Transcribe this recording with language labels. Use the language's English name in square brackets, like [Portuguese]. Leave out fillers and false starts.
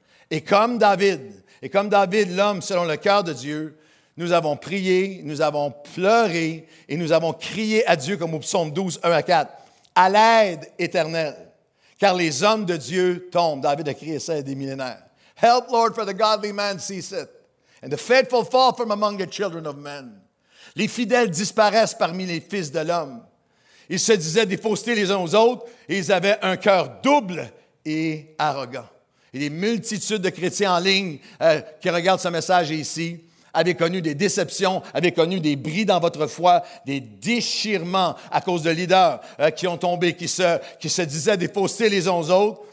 [French] Et comme David, l'homme selon le cœur de Dieu, nous avons prié, nous avons pleuré et nous avons crié à Dieu comme au psaume 12, 1 à 4. À l'aide éternelle, car les hommes de Dieu tombent. David a crié ça il y a des millénaires. [English] Help, Lord, for the godly man sees it. And the faithful fall from among the children of men. [French] Les fidèles disparaissent parmi les fils de l'homme. Ils se disaient des faussetés les uns aux autres et ils avaient un cœur double et arrogant. Et des multitudes de chrétiens en ligne qui regardent ce message ici avaient connu des déceptions, avaient connu des bris dans votre foi, des déchirements à cause de leaders qui ont tombé, qui se disaient des faussetés les uns aux autres.